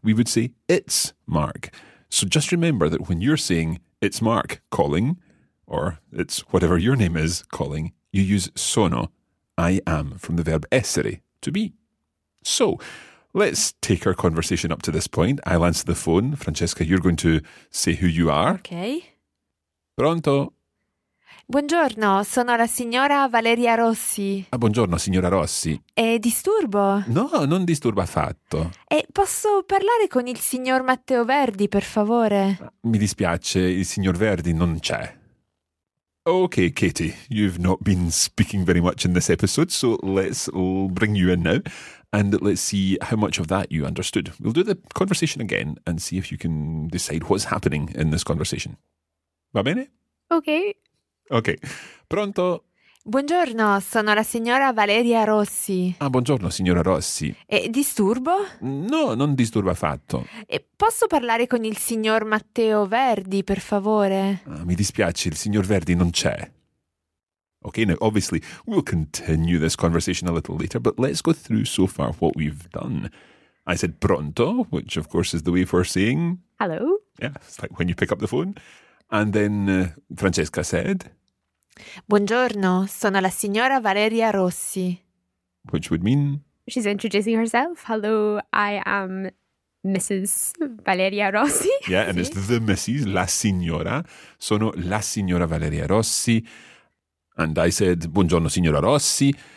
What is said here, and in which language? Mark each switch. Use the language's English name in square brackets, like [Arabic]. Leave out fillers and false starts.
[English] We would say, it's Mark. So just remember that when you're saying, it's Mark calling, or it's whatever your name is calling, you use sono, I am, from the verb essere, to be. So let's take our conversation up to this point. I'll answer the phone. Francesca, you're going to say who you are. Okay. [Italian] Pronto. Buongiorno, sono la signora Valeria Rossi. Ah, buongiorno, signora Rossi. Disturbo? No, non disturba affatto. Posso parlare con il signor Matteo Verdi, per favore? Mi dispiace, il signor Verdi non c'è. [English] Okay, Katie, you've not been speaking very much in this episode, so let's bring you in now and let's see how much of that you understood. We'll do the conversation again and see if you can decide what's happening in this conversation. [Italian] Va bene? [English] Okay. [Italian] Okay. Pronto. Buongiorno, sono la signora Valeria Rossi. Ah, buongiorno, signora Rossi. Disturbo? No, non disturba affatto. Posso parlare con il signor Matteo Verdi, per favore? Ah, mi dispiace, il signor Verdi non c'è. [English] Okay, now obviously we'll continue this conversation a little later, but let's go through so far what we've done. I said pronto, which of course is the way for saying... Hello. Yeah, it's like when you pick up the phone. And then Francesca said... [Italian] Buongiorno, sono la signora Valeria Rossi. [English] Which would mean? She's introducing herself. Hello, I am Mrs. Valeria Rossi. Yeah, and it's the Mrs., la signora. [Italian] Sono la signora Valeria Rossi. [English] And I said, [Italian] buongiorno, signora Rossi.